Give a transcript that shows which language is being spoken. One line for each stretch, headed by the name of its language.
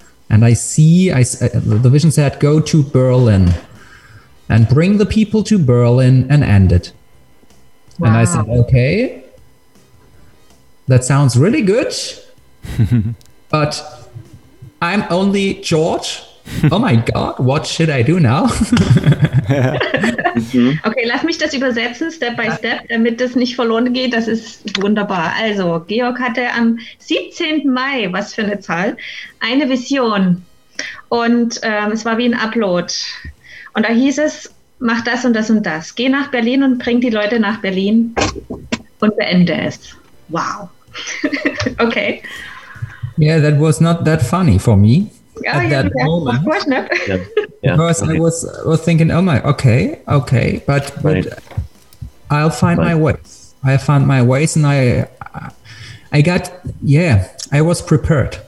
English: And the vision said, go to Berlin and bring the people to Berlin and end it. Wow. And I said, okay, that sounds really good, but I'm only George Oh my God, what should I do now?
German: Okay, lass mich das übersetzen,
English: Step by Step,
German: damit das nicht verloren geht. Das ist wunderbar. Also, Georg hatte am 17. Mai, was für eine Zahl, eine Vision. Und es war wie ein Upload. Und da hieß es, mach das und das und das. Geh nach Berlin und bring die Leute nach Berlin und beende es. Wow. Okay.
English: Yeah, that was not that funny for me. At that moment, I was thinking, oh my, okay, but right. I'll find my ways, and I was prepared.